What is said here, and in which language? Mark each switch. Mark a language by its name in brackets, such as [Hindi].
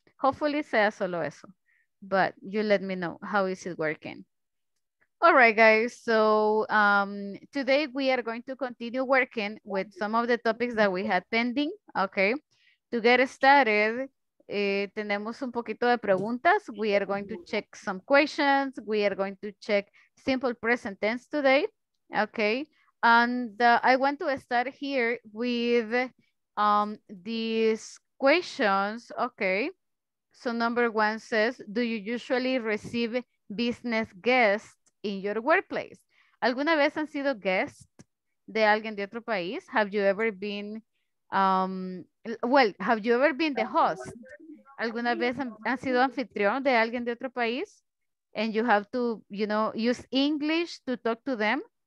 [English] Hopefully [Spanish] sea solo eso, [English] but you let me know how is it working. All right, guys, so today we are going to continue working with some of the topics that we had pending, okay? To get started, [Spanish] tenemos un poquito de preguntas. [English] We are going to check some questions. We are going to check simple present tense today. Okay. And I want to start here with these questions. Okay. So number one says, do you usually receive business guests in your workplace? [Spanish] ¿Alguna vez han sido guest de alguien de otro país? [English] Have you ever been, have you ever been the host? [Spanish] ¿Alguna vez han sido anfitrión de alguien de otro país? [English] And you have to, you know, use English to talk to them?